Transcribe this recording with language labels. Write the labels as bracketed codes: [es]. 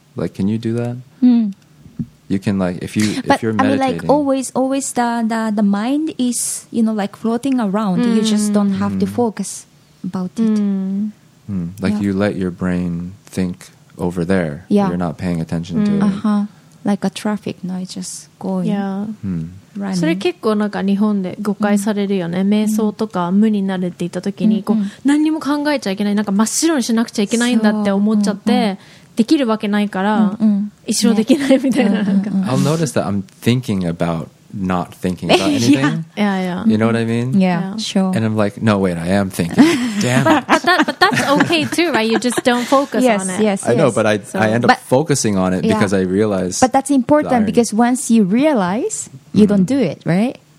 [en] Like, can you do that? You can, like, if you're meditating. I mean, like, always the mind is, you know, like floating around. You just don't have to focus about it. Like, you let your brain think over there. Yeah. You're not paying attention to it. Uh-huh. Like a traffic noise just going. Yeah. [ja] それ結構なんか日本で誤解されるよね。瞑想とか無になるって言った時にこう何にも考えちゃいけない、なんか真っ白にしなくちゃいけないんだって思っちゃってできるわけないから一生できないみたいな、なんか [en] I'll notice that I'm thinking about not thinking about anything. Yeah. You know what I mean? Yeah, sure. And I'm like, no, wait, I am thinking. Damn. But that's okay too, right? You just don't focus on it. Yes. I know, but I end up focusing on it because I realize. But that's important because once you realize, you don't do it, right?